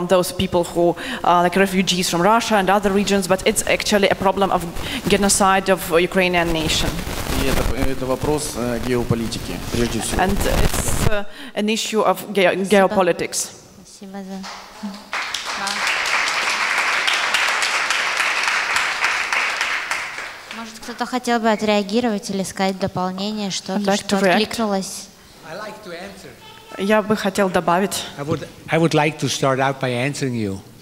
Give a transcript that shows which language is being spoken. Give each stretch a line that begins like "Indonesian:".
English: Those people who are like refugees from Russia and other regions, but it's actually a problem of genocide of Ukrainian nation.
Russian: Это вопрос геополитики, прежде всего.
English: And it's an issue of geopolitics.
Russian: Может, кто-то хотел бы отреагировать или сказать дополнение, что-то, что откликнулось?
English: I like to answer.
Russian: Я бы хотел добавить.
English: I would like to start out by answering you.